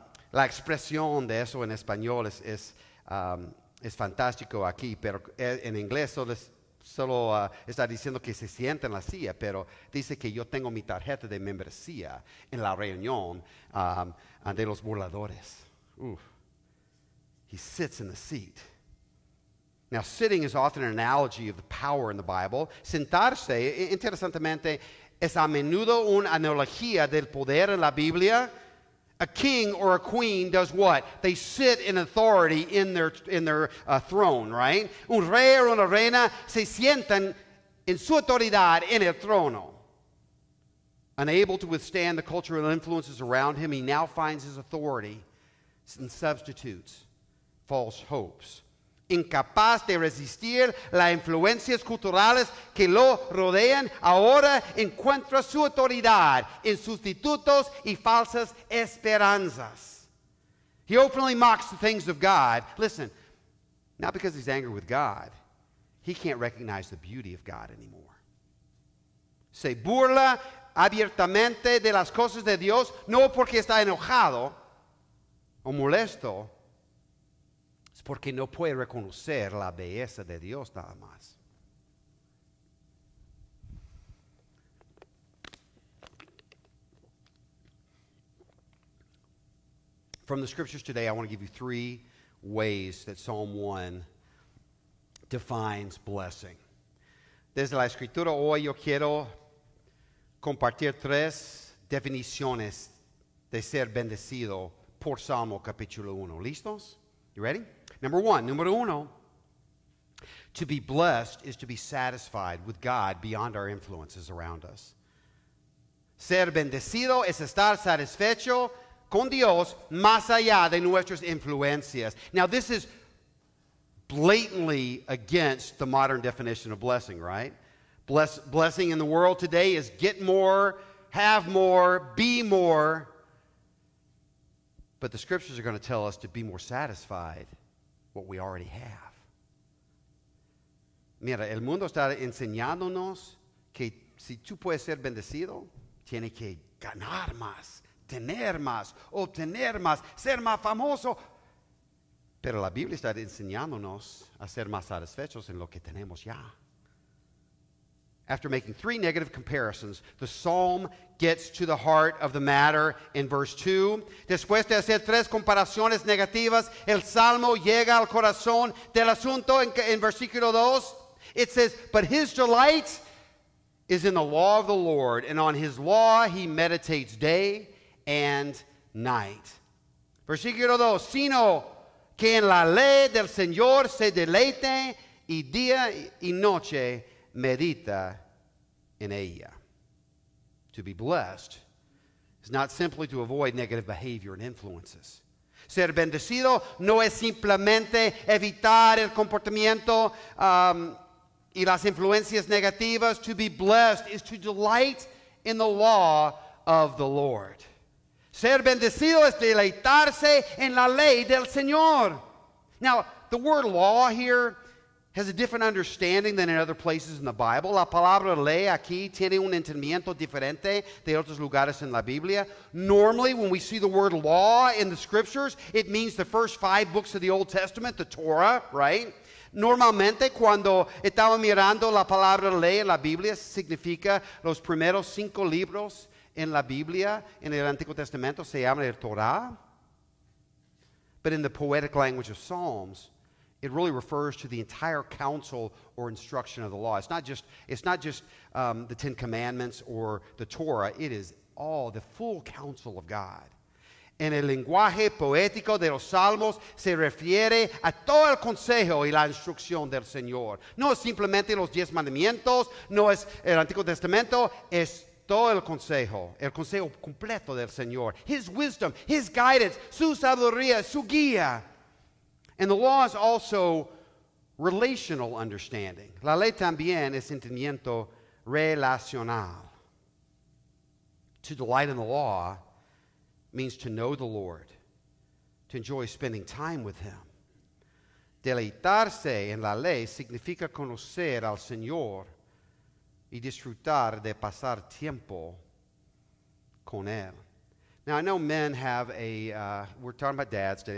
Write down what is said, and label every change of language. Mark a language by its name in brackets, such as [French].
[Spanish] La expresión de eso en español es fantástico aquí, pero en inglés solo está diciendo que se sienta en la silla, pero dice que yo tengo mi tarjeta de membresía en la reunión de los burladores. [English] Oof. He sits in the seat. Now, sitting is often an analogy of the power in the Bible. [Spanish] Sentarse, interesantemente, es a menudo una analogía del poder en la Biblia. [English] A king or a queen does what? They sit in authority in their throne, right? [Spanish] Un rey o una reina se sientan en su autoridad en el trono. [English] Unable to withstand the cultural influences around him, he now finds his authority and substitutes false hopes. [Spanish] Incapaz de resistir las influencias culturales que lo rodean, ahora encuentra su autoridad en sustitutos y falsas esperanzas. [English] He openly mocks the things of God. Listen, not because he's angry with God. He can't recognize the beauty of God anymore. [Spanish] Se burla abiertamente de las cosas de Dios, no porque está enojado o molesto, porque no puede reconocer la belleza de Dios nada más. [English] From the scriptures today, I want to give you three ways that Psalm 1 defines blessing. [Spanish] Desde la escritura hoy, yo quiero compartir tres definiciones de ser bendecido por Salmo capítulo 1. ¿Listos? [English] You ready? Number one, to be blessed is to be satisfied with God beyond our influences around us. [Spanish] Ser bendecido es estar satisfecho con Dios más allá de nuestras influencias. [English] Now, this is blatantly against the modern definition of blessing, right? Blessing in the world today is get more, have more, be more. But the scriptures are going to tell us to be more satisfied what we already have. [Spanish] Mira, el mundo está enseñándonos que si tú puedes ser bendecido, tienes que ganar más, tener más, obtener más, ser más famoso. Pero la Biblia está enseñándonos a ser más satisfechos en lo que tenemos ya. [English] After making three negative comparisons, the psalm gets to the heart of the matter in verse 2. [Spanish] Después de hacer tres comparaciones negativas, el salmo llega al corazón del asunto en versículo 2. [English] It says, but his delight is in the law of the Lord, and on his law he meditates day and night. [Spanish] Versículo 2, sino que en la ley del Señor se deleite y día y noche medita en ella. [English] To be blessed is not simply to avoid negative behavior and influences. [Spanish] Ser bendecido no es simplemente evitar el comportamiento y las influencias negativas. [English] To be blessed is to delight in the law of the Lord. [Spanish] Ser bendecido es deleitarse en la ley del Señor. [English] Now, the word law here has a different understanding than in other places in the Bible. [Spanish] La palabra ley aquí tiene un entendimiento diferente de otros lugares en la Biblia. [English] Normally, when we see the word law in the scriptures, it means the first five books of the Old Testament, the Torah, right? [Spanish] Normalmente, cuando estaba mirando la palabra ley en la Biblia, significa los primeros cinco libros en la Biblia, en el Antiguo Testamento, se llama el Torah. [English] But in the poetic language of Psalms, it really refers to the entire counsel or instruction of the law. It's not just the Ten Commandments or the Torah. It is all the full counsel of God. [Spanish] En el lenguaje poético de los Salmos se refiere a todo el consejo y la instrucción del Señor. No es simplemente los diez mandamientos, no es el Antiguo Testamento, es todo el consejo completo del Señor. [English] His wisdom, his guidance, [Spanish] su sabiduría, su guía. [English] And the law is also relational understanding. [Spanish] La ley también es entendimiento relacional. [English] To delight in the law means to know the Lord, to enjoy spending time with him. [Spanish] Deleitarse en la ley significa conocer al Señor y disfrutar de pasar tiempo con él. [English] Now, I know men have we're talking about dads today.